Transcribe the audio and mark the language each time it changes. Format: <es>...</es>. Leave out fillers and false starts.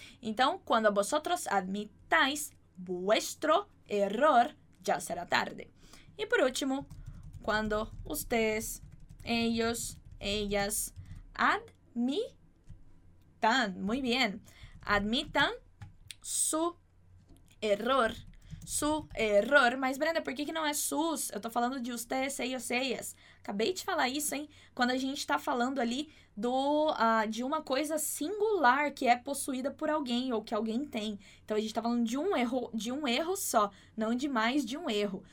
<es>Então, quando vosotros admitais vuestro error, já será tarde. E por último, quando ustedes, ellos, ellas admitan, muy bien, admitan su error. Su error,</es> <pt>mas Brenda, por que não é sus? Eu tô falando de ustedes, ellos, ellas. Acabei de falar isso, hein? Quando a gente tá falando ali de uma coisa singular que é possuída por alguém ou que alguém tem. Então, a gente tá falando de um erro só, não de mais de um erro.</pt>